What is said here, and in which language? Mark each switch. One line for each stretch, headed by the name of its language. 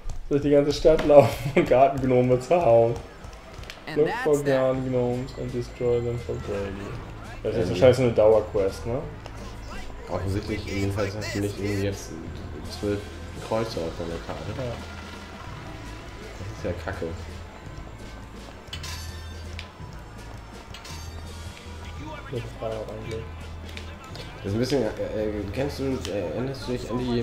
German: Durch die ganze Stadt laufen und Gartengnome zu hauen.
English: Look for Gartengnomes and destroy them for Brady.
German: Das ist wahrscheinlich so eine Dauerquest, ne? Offensichtlich, jedenfalls hast du nicht irgendwie jetzt 12 Kreuze auf deiner Karte. Ja. Das ist ja kacke. Das ist ein bisschen, kennst du, erinnerst du dich an die